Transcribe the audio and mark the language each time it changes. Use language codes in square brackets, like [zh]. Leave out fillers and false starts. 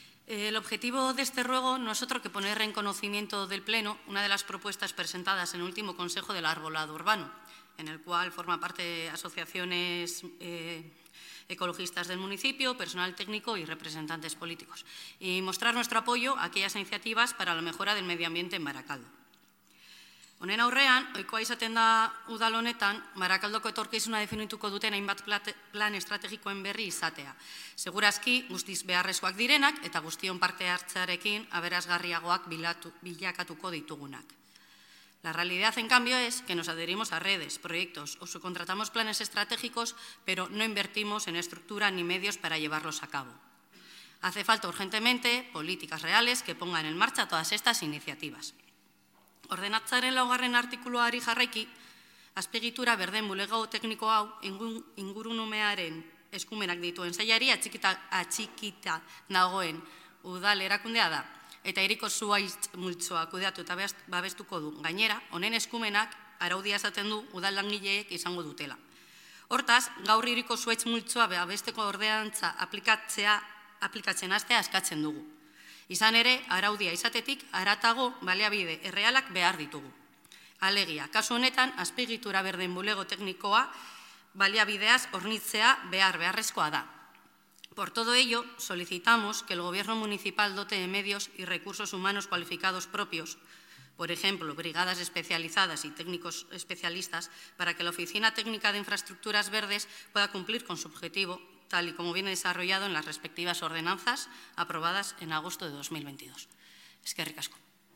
[es] El objetivo de este ruego no es otro que poner en conocimiento del Pleno una de las propuestas presentadas en el último Consejo del Arbolado Urbano, en el cual forma parte asociaciones ecologistas del municipio, personal técnico y representantes políticos, y mostrar nuestro apoyo a aquellas iniciativas para la mejora del medio ambiente en Barakaldo. [eu] Honen aurrean, ohikoa izaten da udal honetan, Barakaldoko etorkizuna definituko duten hainbat plan estrategikoen berri izatea. Segurazki, guztiz beharrezkoak direnak eta guztion parte hartzearekin aberasgarriagoak bilakatuko ditugunak. [es] La realidad, en cambio, es que nos adherimos a redes, proyectos o subcontratamos planes estratégicos, pero no invertimos en estructura ni medios para llevarlos a cabo. Hace falta urgentemente políticas reales que pongan en marcha todas estas iniciativas. [eu] Ordenatzaren laugarren artikuluari jarraiki, azpigitura berden bulego tekniko hau ingurunumearen eskumenak dituen zailari atxikita dagoen udal erakundea da, eta hiriko zuhaitz multzoa kudeatu eta babestuko du. Gainera, honen eskumenak araudia esaten du udal langileek izango dutela. Hortaz, gaur hiriko zuhaitz multzoa babesteko ordenantza aplikatzen hastea eskatzen dugu. Izan ere, araudia izatetik, haratago baliabide errealak behar ditugu. Alegia, kasu honetan, azpigitura berden bulego teknikoa baliabideaz hornitzea beharrezkoa da. [es] Por todo ello, solicitamos que el Gobierno Municipal dote de medios y recursos humanos cualificados propios, por ejemplo, brigadas especializadas y técnicos especialistas, para que la Oficina Técnica de Infraestructuras Verdes pueda cumplir con su objetivo, tal y como viene desarrollado en las respectivas ordenanzas aprobadas en agosto de 2022. [eu] Eskerrik asko.